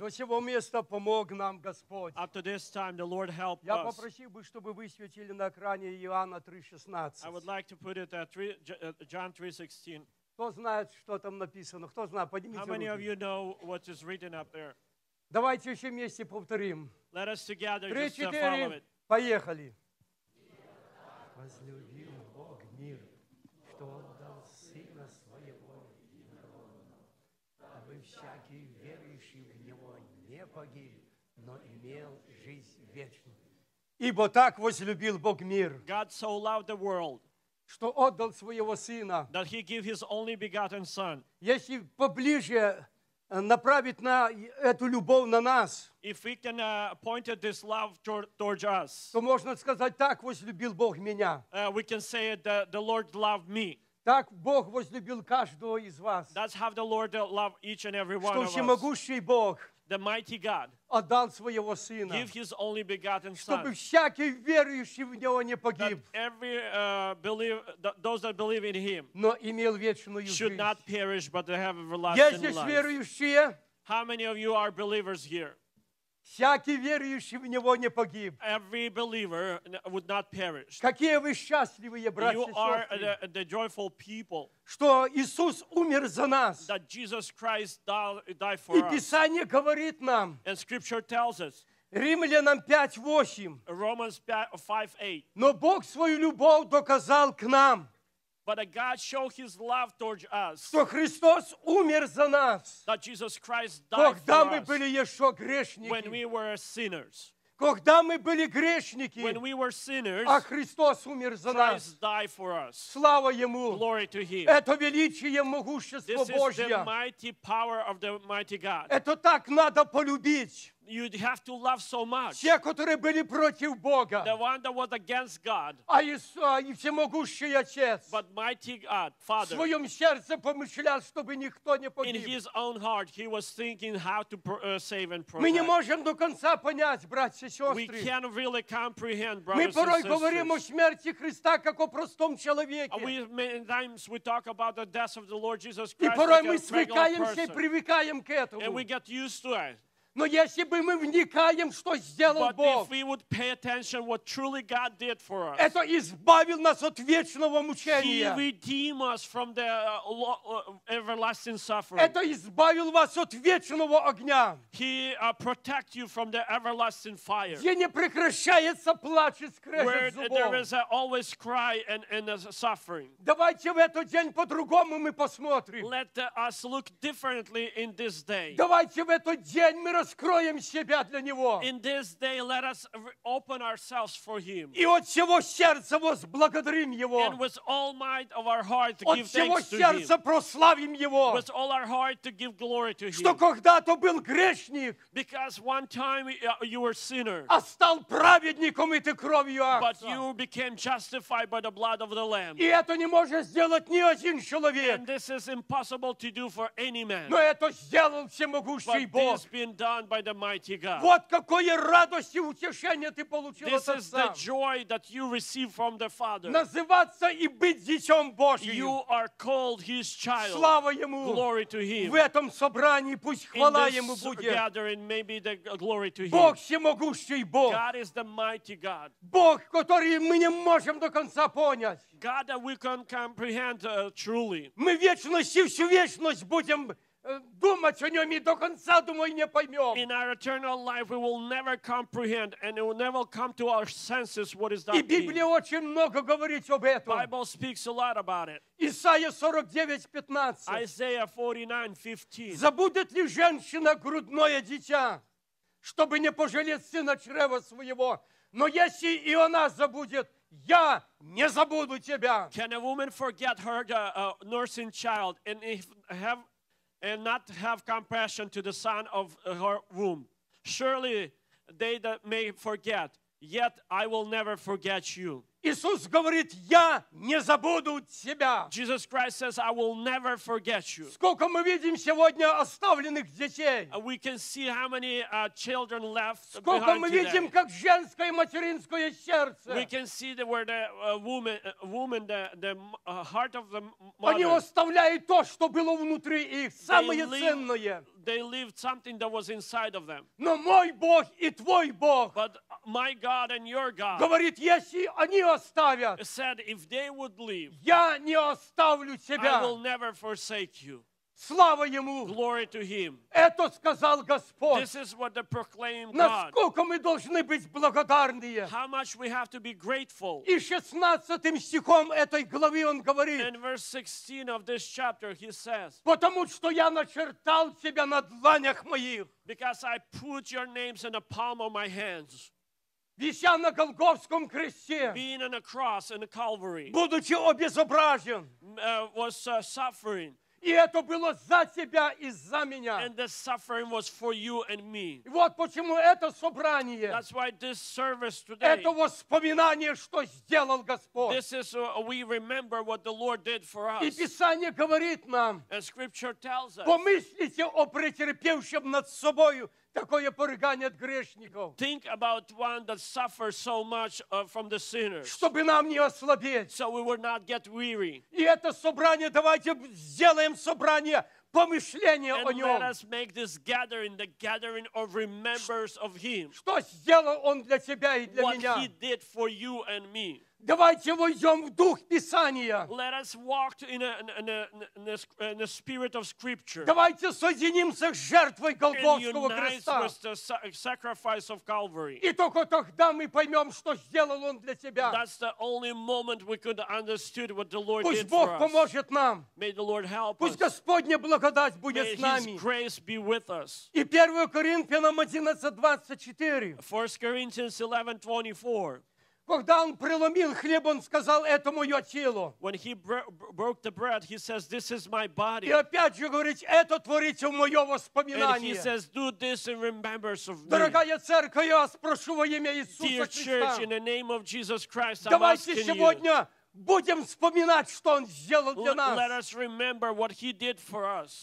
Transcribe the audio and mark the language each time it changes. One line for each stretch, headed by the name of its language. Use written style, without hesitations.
Russian: До сего места помог нам Господь.
English: Up to this time, the Lord helped us.
Russian: Я попросил бы, чтобы вы светили на экране Иоанна 3:16.
English: I would like to put it at John 3:16.
Russian: Кто знает, что там написано? Кто знает? Поднимите руки.
English: How many of you know what is written up there?
Russian: Давайте еще вместе повторим.
English: Let us together 3, just 4, follow it.
Russian: Поехали. Возлюбил Бог мир, что отдал Сына Своего Единородного, дабы всякий верующий в Него не погиб, но имел жизнь вечную. Ибо так возлюбил Бог мир,
English: God so loved the world,
Russian: что отдал Своего Сына,
English: that He gave His only begotten Son.
Russian: Если поближе направить на эту любовь на нас,
English: if we can point this love towards us,
Russian: то можно сказать, так возлюбил Бог меня.
English: We can say that the Lord loved me.
Russian: Так Бог возлюбил каждого из вас.
English: That's how the Lord loved each and every one of us.
Russian: Что всемогущий Бог,
English: the mighty God,
Russian: отдал своего Сына,
English: give His only begotten Son,
Russian: чтобы всякий верующий в Него не погиб,
English: that every believe, those that believe in Him,
Russian: но имел вечную жизнь,
English: should not perish but have everlasting life.
Russian: Есть верующие?
English: How many of you are believers here?
Russian: Всякий верующий в Него не погиб.
English: Every believer would not perish.
Russian: Какие вы счастливые, братья и сестры.
English: You are the joyful people.
Russian: Что Иисус умер за нас.
English: That Jesus Christ died for us.
Russian: И Писание говорит нам.
English: And Scripture tells us.
Russian: Римлянам 5:8.
English: Romans 5:8.
Russian: Но Бог свою любовь доказал к нам.
English: But God showed His love towards us.
Russian: Что Христос умер за нас.
English: That Jesus Christ died
Russian: когда
English: for us.
Russian: Мы были еще грешники.
English: When we were sinners.
Russian: Когда мы были грешники.
English: When we were sinners.
Russian: А Христос умер за
English: Christ
Russian: нас.
English: Christ died for us.
Russian: Слава Ему.
English: Glory to Him.
Russian: Это величие, могущество
English: This
Russian: Божье.
English: This is the mighty power of the mighty God.
Russian: Это так надо полюбить.
English: You have to love so much.
Russian: Те, которые были против Бога.
English: The one that was against God.
Russian: И всемогущий Отец.
English: But mighty God, Father.
Russian: В своем сердце помышлял, чтобы никто не погиб.
English: In His own heart, He was thinking how to save and protect.
Russian: Мы не можем до конца понять, братья и сестры.
English: We can't really comprehend, brothers
Russian: Мы порой
English: and
Russian: говорим о смерти Христа как о простом человеке.
English: We many times we talk about the death of the Lord Jesus Christ.
Russian: И порой мы свыкаемся и привыкаем к этому.
English: And we get used to it.
Russian: Но если бы мы вникаем, что сделал
English: But
Russian: Бог,
English: if we would pay attention what truly God did for us,
Russian: это избавил нас от вечного мучения.
English: He redeemed us from the everlasting suffering.
Russian: Это избавил вас от вечного огня.
English: He protect you from the everlasting fire.
Russian: Где не прекращается плач и скрежет зубов.
English: Where there is always cry and suffering.
Russian: Давайте в этот день по-другому мы посмотрим.
English: Let us look differently in this day.
Russian: Давайте в этот день мы раскроем себя для Него.
English: In this day, let us open ourselves for Him.
Russian: И от всего сердца возблагодарим Его.
English: And with all might of our heart,
Russian: от всего сердца прославим Его.
English: With all our heart, to give glory to Him.
Russian: Что когда-то был грешник.
English: Because one time you were sinner.
Russian: А стал праведником и ты кровью Агнца.
English: But you became justified by the blood of the Lamb.
Russian: И это не может сделать ни один человек.
English: And this is impossible to do for any man.
Russian: Но это сделал всемогущий Бог.
English: Done by the mighty God.
Russian: Вот какое радость и утешение ты получил от Отца.
English: This is the joy that you receive from the Father.
Russian: Называться и быть детем Божьим.
English: You are called His child.
Russian: Слава Ему.
English: Glory to Him.
Russian: В этом собрании пусть хвала Ему будет.
English: In this gathering, maybe the glory to Him.
Russian: Бог всемогущий Бог.
English: God is the mighty God.
Russian: Бог, который мы не можем до конца понять.
English: God that we can't comprehend truly.
Russian: Мы вечность и всю вечность будем думать о нем и до конца, думаю, не поймем.
English: In our eternal life, we will never comprehend, and it will never come to our senses what is that.
Russian: И Библия очень много говорит об этом.
English: Bible speaks a lot about it.
Russian: Исайя 49:15.
English: Isaiah 49:15.
Russian: Забудет ли женщина грудное дитя, чтобы не пожалеть сына чрева своего? Но если и она забудет, я не забуду тебя.
English: Can a woman forget her nursing child, and and not have compassion to the son of her womb. Surely they that may forget, yet I will never forget you.
Russian: Иисус говорит, я не забуду тебя.
English: Jesus Christ says, I will never forget you.
Russian: Сколько мы видим сегодня оставленных детей.
English: We can see how many children left
Russian: Сколько мы видим, как женское материнское сердце.
English: We can see the, where the woman, the heart of the mother.
Russian: Они оставляют то, что было внутри их, самое ценное.
English: They leave something that was inside of them.
Russian: Но мой Бог и твой Бог.
English: But my God and your God.
Russian: Говорит, если они оставят.
English: Said if they would leave.
Russian: Я не оставлю тебя.
English: I will never forsake you.
Russian: Слава ему.
English: Glory to him.
Russian: Это сказал Господь.
English: This is what the proclaimed God.
Russian: Насколько мы должны быть благодарны.
English: How much we have to be grateful.
Russian: И 16 стихом этой главы он говорит.
English: In verse 16 of this chapter he says.
Russian: Потому что я начертал тебя на дланях моих.
English: Because I put your names in the palm of my hands.
Russian: Вися на Голгофском кресте.
English: Being on a cross in the Calvary.
Russian: Будучи обезображен.
English: Was suffering.
Russian: И это было за тебя и за меня.
English: And the suffering was for you and me.
Russian: Вот почему это собрание.
English: That's why this service today.
Russian: Это воспоминание, что сделал Господь.
English: This is we remember what the Lord did for us.
Russian: И Писание говорит нам.
English: And Scripture tells us.
Russian: Помыслите о претерпевшем над собою такое порыгание от грешников.
English: Think about one that suffers so much from the sinners.
Russian: Чтобы нам не ослабеть.
English: So we would not get weary.
Russian: И это собрание, давайте сделаем собрание помышления о нем.
English: And let us make this gathering the gathering of remembers of him.
Russian: Что сделал он для тебя и для меня?
English: What he did for you and me.
Russian: Давайте войдем в дух Писания.
English: Let us walk in the spirit of Scripture.
Russian: Давайте соединимся с жертвой Голгофского креста.
English: And unite with the sacrifice of Calvary.
Russian: И только тогда мы поймем, что сделал он для тебя.
English: That's the only moment we could understand what the Lord did for us.
Russian: Пусть Бог поможет нам.
English: May the Lord help us.
Russian: Пусть Господня благодать будет с нами.
English: May His grace be with us.
Russian: И 1 Коринфянам 11:24.
English: 1 Corinthians 11:24.
Russian: Когда он преломил хлеб, он сказал, это мое тело.
English: When he broke the bread, he says, this is my body.
Russian: И опять же говорит, это творите в мое воспоминание.
English: And he says, do this in remembrance of me.
Russian: Дорогая церковь, я вас прошу во имя Иисуса Христа.
English: Dear church, in the name of Jesus Christ, I'm asking you.
Russian: Давайте сегодня будем вспоминать, что он сделал для нас.
English: Let us remember what he did for us.